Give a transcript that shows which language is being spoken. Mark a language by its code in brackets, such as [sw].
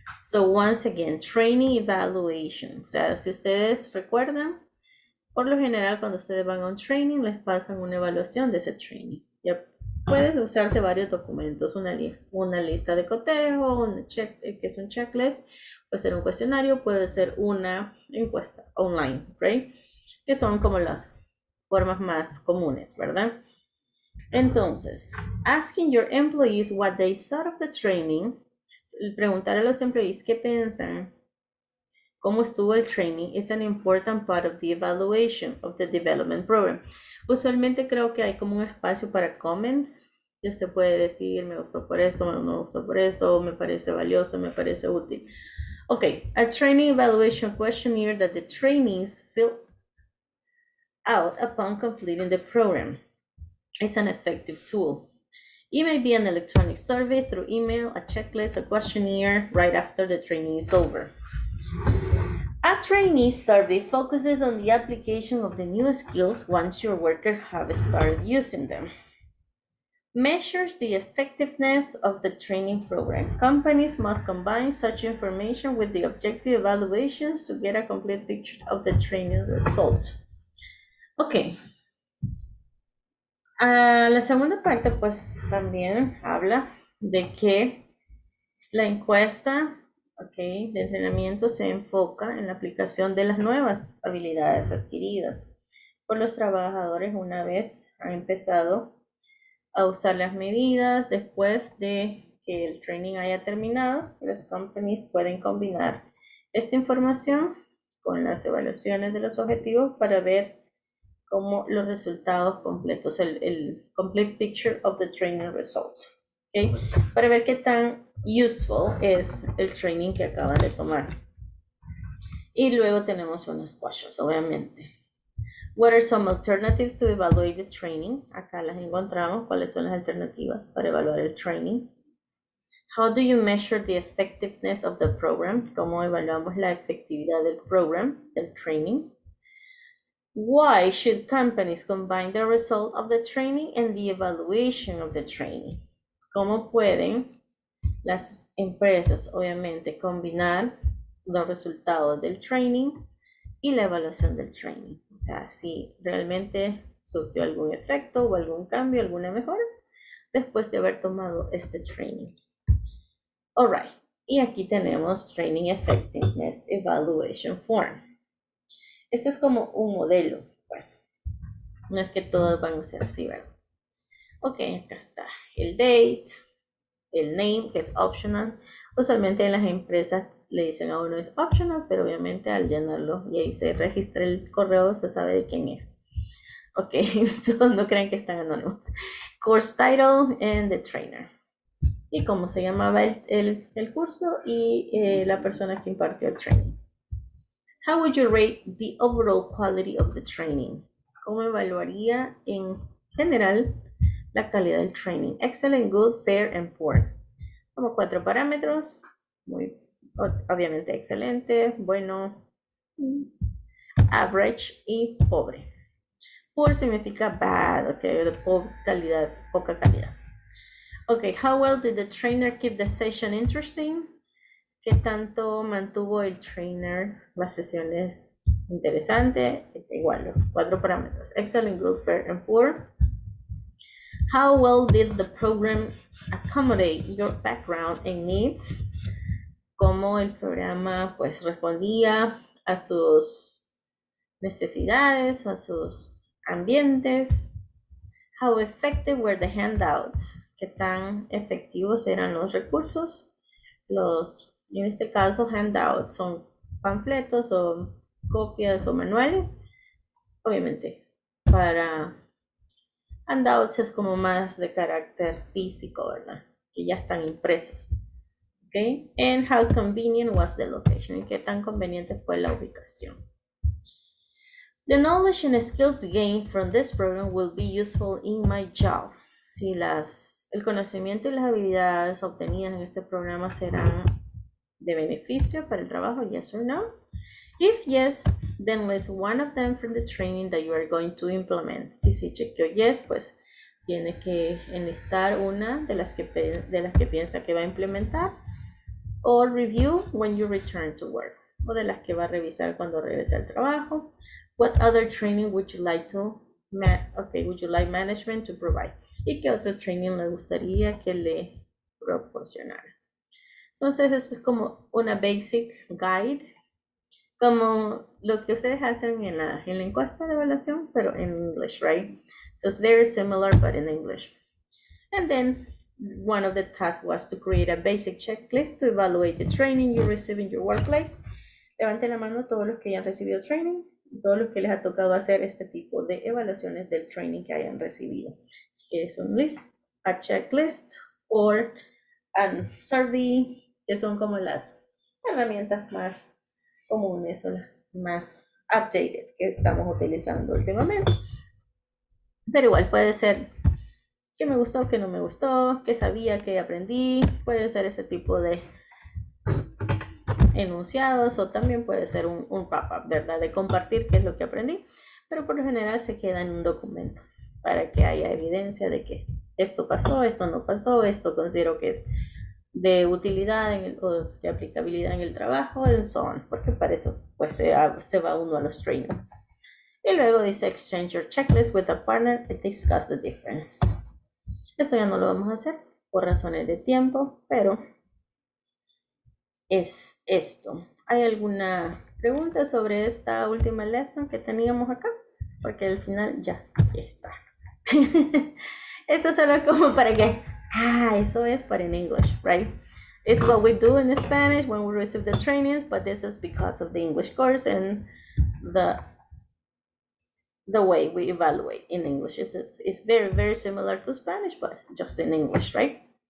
[en] So once again, training evaluation. [es] O sea, si ustedes recuerdan, por lo general, cuando ustedes van a un training, les pasan una evaluación de ese training. Ya pueden usarse varios documentos, una lista de cotejo, que es un checklist, puede ser un cuestionario, puede ser una encuesta online, right? Que son como las formas más comunes, ¿verdad? [en] Entonces, asking your employees what they thought of the training. [es] preguntar a los employees qué piensan, cómo estuvo el training, [en] is an important part of the evaluation of the development program. [es] Usualmente creo que hay como un espacio para comments. Usted puede decir, me gustó por eso, no me gustó por eso, me parece valioso, me parece útil. [en] Okay, a training evaluation questionnaire that the trainees fill out upon completing the program is an effective tool. It may be an electronic survey through email, a checklist, a questionnaire right after the training is over. A trainee survey focuses on the application of the new skills once your worker have started using them. Measures the effectiveness of the training program. Companies must combine such information with the objective evaluations to get a complete picture of the training result. Okay. [es] La segunda parte, pues, también habla de que la encuesta, okay, de entrenamiento se enfoca en la aplicación de las nuevas habilidades adquiridas por los trabajadores una vez han empezado a usar las medidas. Después de que el training haya terminado, las companies pueden combinar esta información con las evaluaciones de los objetivos para ver cómo los resultados completos, el [en] complete picture of the training results, [es] okay, para ver qué tan useful es el training que acaban de tomar. Y luego tenemos unos questions, obviamente. [en] What are some alternatives to evaluate the training? [es] Acá las encontramos. ¿Cuáles son las alternativas para evaluar el training? [en] How do you measure the effectiveness of the program? [es] ¿Cómo evaluamos la efectividad del program, del training? [en] Why should companies combine the result of the training and the evaluation of the training? [es] ¿Cómo pueden las empresas, obviamente, combinar los resultados del training y la evaluación del training? O sea, si realmente surgió algún efecto o algún cambio, alguna mejora, después de haber tomado este training. [en] All right. [es] Y aquí tenemos Training Effectiveness Evaluation Form. Este es como un modelo, pues. No es que todos van a ser así, ¿verdad? Ok, acá está el date, el name, que es optional. Usualmente en las empresas le dicen a uno es optional, pero obviamente al llenarlo y ahí se registra el correo, se sabe de quién es. Ok, so, no crean que están anónimos. [en] Course title and the trainer. [es] Y cómo se llamaba el curso y la persona que impartió el training. [en] How would you rate the overall quality of the training? [es] ¿Cómo evaluaría en general la calidad del training? [en] Excellent, good, fair, and poor. [es] Como cuatro parámetros. Muy, obviamente, excelente, bueno, average y pobre. Poor significa bad, okay, de poca calidad. [en] Okay, how well did the trainer keep the session interesting? [es] ¿Qué tanto mantuvo el trainer las sesiones interesantes? Igual, los cuatro parámetros. [en] Excellent, good, fair, and poor. How well did the program accommodate your background and needs? [es] ¿Cómo el programa, pues, respondía a sus necesidades, a sus ambientes? [en] How effective were the handouts? [es] ¿Qué tan efectivos eran los recursos? Los, en este caso, handouts son panfletos o copias o manuales, obviamente, para... Handouts es como más de carácter físico, ¿verdad? Que ya están impresos. [en] Okay. And how convenient was the location? [es] ¿Y qué tan conveniente fue la ubicación? [en] The knowledge and skills gained from this program will be useful in my job. [es] Si el conocimiento y las habilidades obtenidas en este programa serán de beneficio para el trabajo, [en] yes or no? If yes, then list one of them from the training that you are going to implement. [es] Y si chequeó yes, pues tiene que enlistar una de las que piensa que va a implementar. O [en] review when you return to work. [es] O de las que va a revisar cuando regrese al trabajo. [en] What other training would you like to management to provide? [es] ¿Y qué otro training le gustaría que le proporcionara? Entonces, eso es como una basic guide. Como lo que ustedes hacen en la encuesta de evaluación, pero en English, right? [en] So it's very similar, but in English. And then one of the tasks was to create a basic checklist to evaluate the training you receive in your workplace. [es] Levanten la mano todos los que hayan recibido training, todos los que les ha tocado hacer este tipo de evaluaciones del training que hayan recibido. Que es un list, [en] a checklist, or a survey, [es] que son como las herramientas más comunes o las más updated que estamos utilizando últimamente. Pero igual puede ser qué me gustó, qué no me gustó, qué sabía, qué aprendí. Puede ser ese tipo de enunciados o también puede ser un pop-up, ¿verdad? De compartir qué es lo que aprendí. Pero por lo general se queda en un documento para que haya evidencia de que esto pasó, esto no pasó, esto considero que es de utilidad en el, o de aplicabilidad en el trabajo, en so on. Porque para eso pues se va uno a los training. Y luego dice, [en] exchange your checklist with a partner and discuss the difference. [es] Eso ya no lo vamos a hacer por razones de tiempo, pero es esto. ¿Hay alguna pregunta sobre esta última lección que teníamos acá? Porque al final ya está. Esto es solo como para que, eso es para en English, right? [en] It's what we do in Spanish when we receive the trainings, but this is because of the English course and the way we evaluate in English. It's very, very similar to Spanish, but just in English, right?